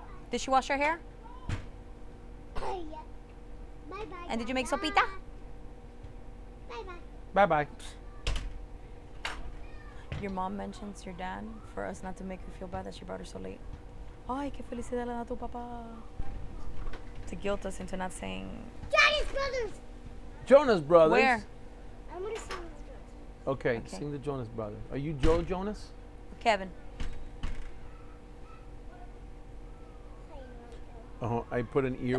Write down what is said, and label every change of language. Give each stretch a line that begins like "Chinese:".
English: Did she wash her hair? Bye-bye. And did you make sopita? Bye-bye. Bye-bye. Your mom mentions your dad for us not to make her feel bad that she brought her so late.
Spanish: Ay, qué felicidad le da tu papá.
English: To guilt us into not saying... Jonas Brothers! Jonas Brothers? Where? I'm going to sing the Jonas Brothers. Okay, okay, sing the Jonas Brothers. Are you Joe Jonas? Kevin. Oh, I put an ear...